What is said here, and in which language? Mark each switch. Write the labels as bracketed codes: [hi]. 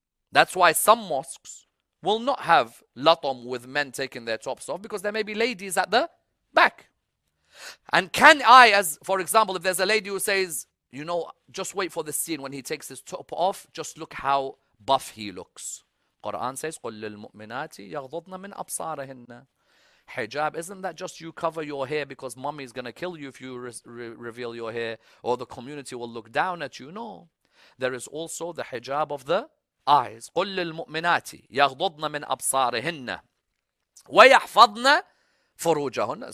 [en] That's why some mosques will not have latam with men taking their tops off, because there may be ladies at the back. And can I, as for example, if there's a lady who says, you know, just wait for the scene when he takes his top off, just look how buff he looks. Quran says, [ar] قُلْ لِلْمُؤْمِنَاتِ يَغْضُضْنَ مِنْ أَبْصَارِهِنَّ. [en] Hijab, isn't that just you cover your hair because mommy is going to kill you if you reveal your hair, or the community will look down at you? No. There is also the hijab of the eyes. [ar] قُلْ لِلْمُؤْمِنَاتِ يَغْضُضْنَ مِنْ أَبْصَارِهِنَّ وَيَحْفَضْنَ فُرُوجَهُنَّ.